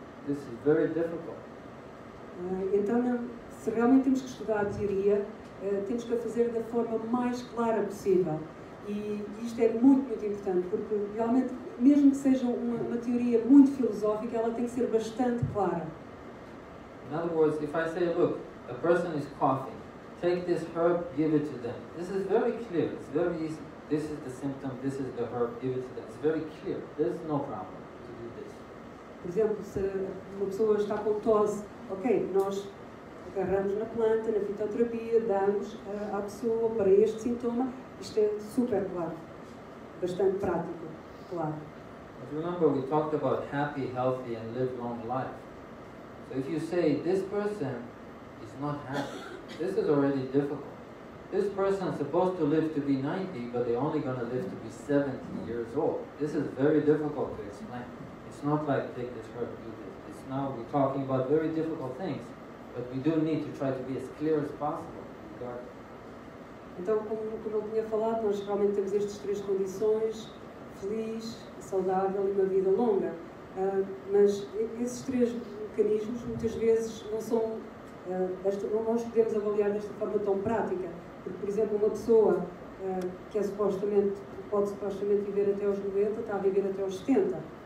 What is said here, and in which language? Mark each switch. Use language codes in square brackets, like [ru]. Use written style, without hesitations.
[en] This is very difficult. [pt] Então, se realmente temos que estudar a teoria, temos que a fazer da forma mais clara possível. E isto é muito, muito importante, porque realmente, mesmo que seja uma teoria muito filosófica, ela tem que ser bastante clara. [en] In other words, if I say, look, a person is coughing, take this herb, give it to them. This is very clear. It's very easy. This is the symptom, this is the herb, give it to them. It's very clear. There's no problem to do this. [pt] Por exemplo, se uma pessoa está com tosse, ok, nós agarramos na planta, na fitoterapia, damos à pessoa para este sintoma. Isto é super claro. Bastante prático. Claro. [en] But remember, we talked about happy, healthy, and live long life. So if you say, this person is not happy, this is already difficult. This person is supposed to live to be 90, but they're only going to live to be 70 years old. This is very difficult to explain. It's not like take this herb, do this. It's now we're talking about very difficult things, but we do need to try to be as clear as possible. [pt] Então, como eu tinha falado, nós realmente temos estas três condições: feliz, saudável e uma vida longa. Mas esses três mecanismos muitas vezes não são. Não nós podemos avaliar desta forma tão prática. Porque, por exemplo, uma pessoa que é supostamente, pode supostamente viver até aos 90, está a viver até aos 70.